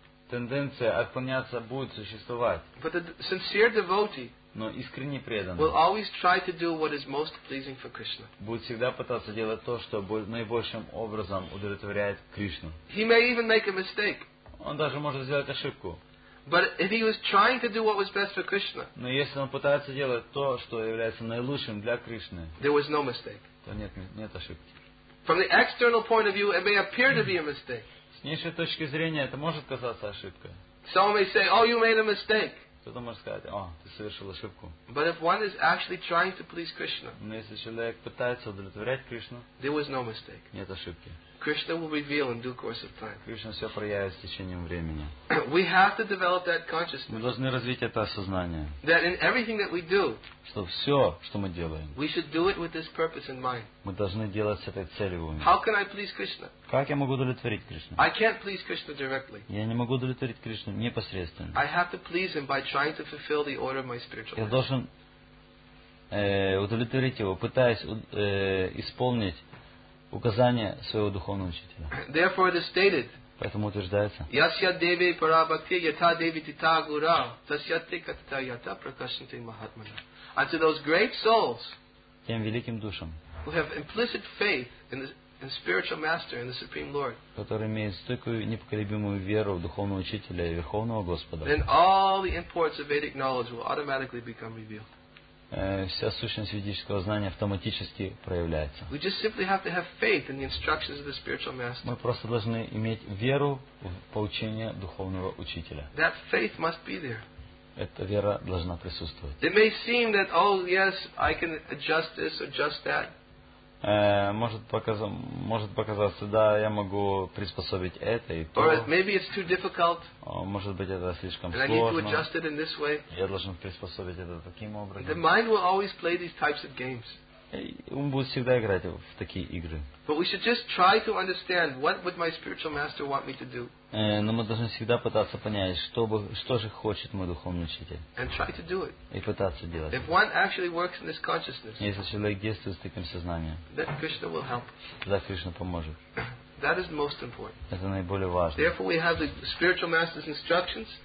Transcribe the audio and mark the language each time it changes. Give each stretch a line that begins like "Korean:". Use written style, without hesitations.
Russian: Тенденция отклоняться будет существовать.
English: But the sincere devotee.
Russian: Но искренне преданный
English: will always try to do what is most pleasing for Krishna.
Russian: Будет всегда пытаться делать то, что наибольшим образом удовлетворяет Кришну.
English: He may even make a mistake.
Russian: Он даже может сделать ошибку.
English: But if he was trying to do what was best for Krishna.
Russian: Но если он пытается делать то, что является наилучшим для Кришны.
English: There was no mistake.
Russian: То нет ошибки.
English: From the external point of view, it may appear to be a mistake.
Russian: С внешней точки зрения это может казаться ошибкой.
English: Some may say, "Oh, you made a mistake."
Russian: Кто-то может сказать, о, ты совершил ошибку.
English: But if one is actually trying to please Krishna,
Russian: но если человек пытается удовлетворять Кришну,
English: there was no mistake.
Russian: Нет ошибки.
English: Krishna will reveal in due course of time.
Russian: Кришна все проявит с течением времени.
English: We have to develop that consciousness.
Russian: Мы должны развить это осознание.
English: That in everything that we do,
Russian: что все, что мы делаем,
English: we should do it with this purpose in mind.
Russian: Мы должны делать с этой целью в уме.
English: How can I please Krishna?
Russian: Как я могу удовлетворить Кришну?
English: I can't please Krishna directly.
Russian: Я не могу удовлетворить Кришну непосредственно.
English: I have to please him by trying to fulfill the order of my spiritual life.
Russian: Я должен удовлетворить его, пытаясь исполнить указания своего духовного учителя.
English: Therefore it is stated.
Russian: Поэтому утверждается.
Sanskrit: Ясья деви пара бхакти ята деви тита гура тасья ти катита ята пракашнити махатмана.
English: Unto those great souls.
Russian: Тем великим душам.
English: Who have implicit faith in the spiritual master, in the supreme Lord.
Russian: Которые имеют стойкую непоколебимую веру в духовного учителя и верховного Господа.
English: Then all the imports of Vedic knowledge will automatically become revealed.
Russian: Вся сущность ведического знания автоматически проявляется.
English: We just simply have to have faith in the instructions of the spiritual master.
Russian: Мы просто должны иметь веру в поучение духовного учителя.
English: That faith must be there.
Russian: Эта вера должна присутствовать.
English: It may seem that, oh yes, I can adjust this or adjust that.
Russian: Может показаться, да, я могу приспособить это и то.
English: Or maybe it's too difficult.
Russian: Может быть, это слишком сложно.
English: And I need to adjust it in this way.
Russian: Я должен приспособить это таким образом.
English: The mind will always play these types of games.
Russian: Ум будет всегда играть в такие игры.
English: But we should just try to understand what would my spiritual master want me to do.
Russian: Но мы должны всегда пытаться понять, что же хочет мой духовный учитель.
English: And try to do it.
Russian: И пытаться делать.
English: If one actually works in this consciousness.
Russian: Если человек действует с таким сознанием.
English: Then Krishna will help.
Russian: Тогда Кришна поможет.
English: That is most important.
Russian: Это наиболее важно.
English: Therefore we have the spiritual master's instructions.